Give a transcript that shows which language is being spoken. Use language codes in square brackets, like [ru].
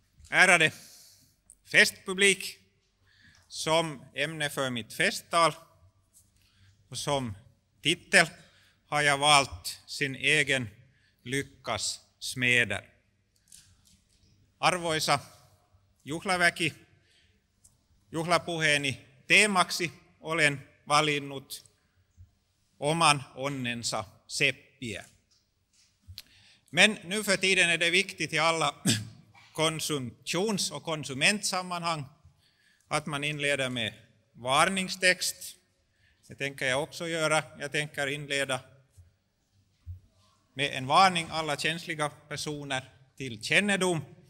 [sv] Ärade festpublik, som ämne för mitt festtal och som titel har jag valt sin egen lyckas smeder. [fi] Arvoisa juhlaväki, juhlapuheeni teemaksi olen valinnut oman onnensa seppiä. [sv] Men nu för tiden är det viktigt i alla konsumtions- och konsumentsammanhang att man inleder med varningstext. Det tänker jag också göra. Jag tänker inleda med en varning alla känsliga personer till kännedom.